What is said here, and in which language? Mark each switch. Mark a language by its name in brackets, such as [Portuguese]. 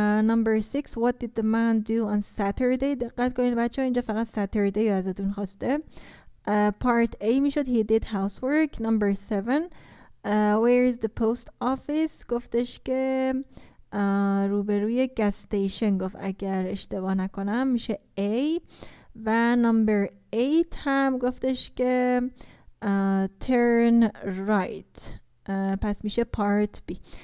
[English] Number 6, what did the man do on Saturday? [Persian] دقت کنید بچه ها اینجا فقط Saturday یا ازتون خواسته. [English] Part A میشد, he did housework. Number 7, where is the post office? [Persian] گفتش که روبروی گاز استیشن گفت اگر اشتباه نکنم میشه A. و نمبر 8 هم گفتش که [English] turn right [Persian] پس میشه part B.